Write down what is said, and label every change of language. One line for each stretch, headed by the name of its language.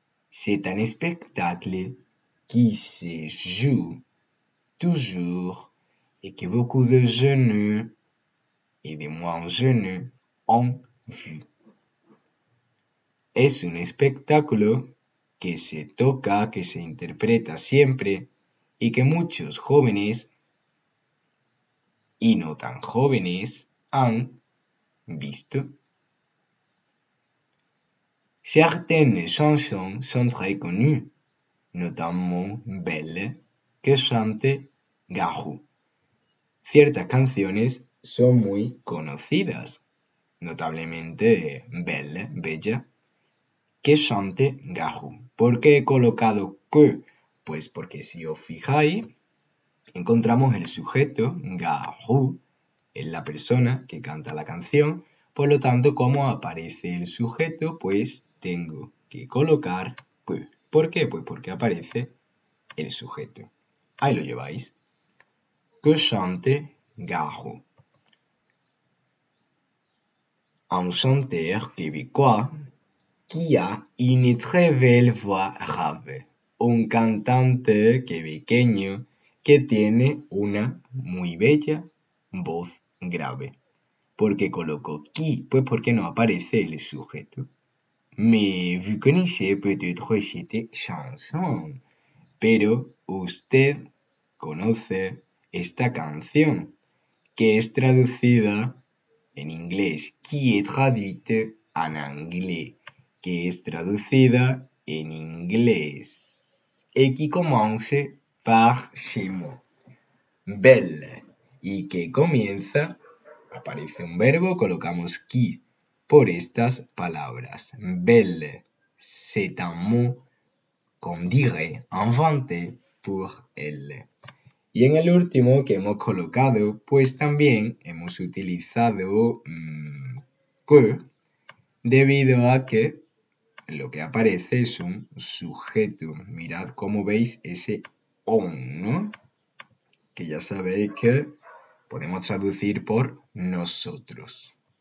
French: C'est un spectacle qui se joue toujours et que beaucoup de jeunes et de moins jeunes ont vu.
Spanish: Es un espectáculo que se toca, que se interpreta siempre y que muchos jóvenes y no tan jóvenes han visto.
French: Certaines chansons sont très connues, notamment Belle, que chante Garou.
Spanish: Ciertas canciones son muy conocidas, notablemente Belle, Bella,
French: que chante Garou.
Spanish: ¿Por qué he colocado que? Pues porque si os fijáis, encontramos el sujeto, Garou, en la persona que canta la canción. Por lo tanto, como aparece el sujeto, pues tengo que colocar que. ¿Por qué? Pues porque aparece el sujeto. Ahí lo lleváis.
French: Que chante Garou. Un chanteur québécois qui a une très belle voix grave.
Spanish: Un cantante quebequeño que tiene una muy bella voz grave. ¿Por qué coloco qui? Pues porque no aparece el sujeto.
French: Mais vous connaissez peut-être cette chanson.
Spanish: Pero usted conoce esta canción, que es traducida en inglés.
French: Qui est traduite en anglais.
Spanish: Que es traducida en inglés.
French: Et qui commence par ces mots.
Spanish: Belle. Y que comienza. Aparece un verbo, colocamos qui por estas palabras.
French: Belle, c'est un mot qu'on dirait inventé pour elle.
Spanish: Y en el último que hemos colocado, pues también hemos utilizado que, debido a que lo que aparece es un sujeto. Mirad cómo veis ese on, ¿no? Que ya sabéis que podemos traducir por nosotros.